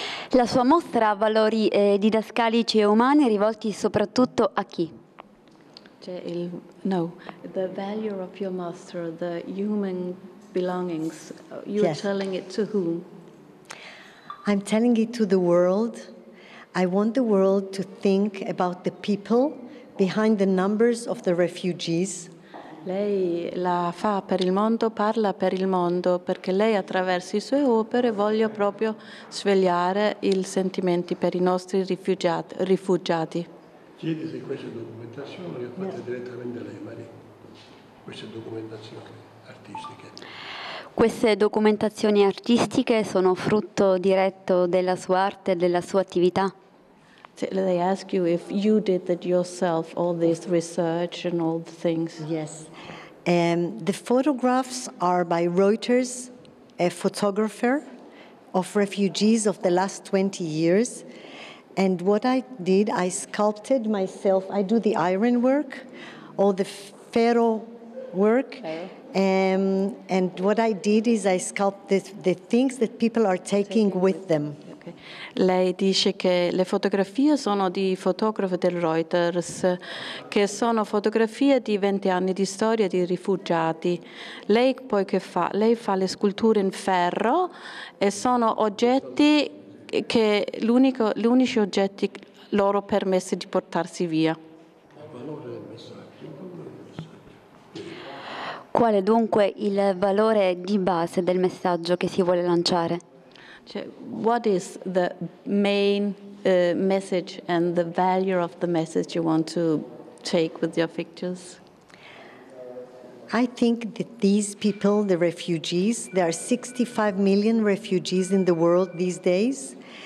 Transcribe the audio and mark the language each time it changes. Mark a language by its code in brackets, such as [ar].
[it] La sua mostra ha valori didascalici e umani rivolti soprattutto a chi? Cioè il, no, [en] the value of your mostra, the human belongings, you're yes. telling it to whom? I'm telling it to the world. I want the world to think about the people behind the numbers of the refugees. [it] Lei la fa per il mondo, parla per il mondo, perché lei attraverso le sue opere voglio proprio svegliare i sentimenti per i nostri rifugiati. Chiedi se questa documentazione l'ho fatta direttamente lei, Maria. Queste documentazioni artistiche. Queste documentazioni artistiche sono frutto diretto della sua arte e della sua attività? [en] They ask you if you did it yourself, all this research and all the things. Yes. The photographs are by Reuters, a photographer of refugees of the last 20 years. And what I did, I sculpted myself. I do the iron work, all the ferro work. Okay. And what I did is I sculpted the things that people are taking with them. [it] Lei dice che le fotografie sono di fotografi del Reuters, che sono fotografie di 20 anni di storia di rifugiati. Lei poi che fa? Lei fa le sculture in ferro e sono oggetti che l'unici oggetti loro permessi di portarsi via. Qual è dunque il valore di base del messaggio che si vuole lanciare? [en] What is the main message and the value of the message you want to take with your pictures? I think that these people, the refugees, there are 65 million refugees in the world these days.